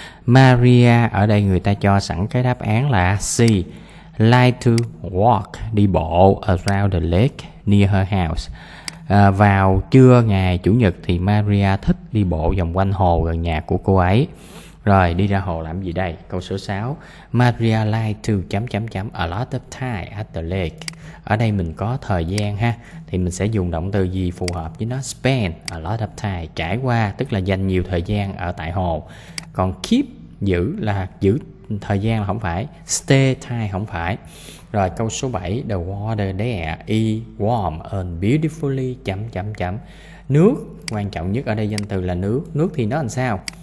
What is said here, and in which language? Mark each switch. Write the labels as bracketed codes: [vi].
[vi] Maria ở đây người ta cho sẵn cái đáp án là C. [en] Like to walk, [vi] đi bộ [en] around the lake near her house. [vi] Vào trưa ngày chủ nhật thì Maria thích đi bộ vòng quanh hồ gần nhà của cô ấy. Rồi đi ra hồ làm gì đây? Câu số 6. [en] Maria like to a lot of time at the lake. [vi] Ở đây mình có thời gian ha, thì mình sẽ dùng động từ gì phù hợp với nó? [en] Spend a lot of time, [vi] trải qua, tức là dành nhiều thời gian ở tại hồ. Còn keep, giữ là giữ thời gian là không phải. [en] Stay time [vi] không phải. Rồi câu số 7. [en] The water there is warm and beautifully [vi] Nước, quan trọng nhất ở đây danh từ là nước. Nước thì nó làm sao?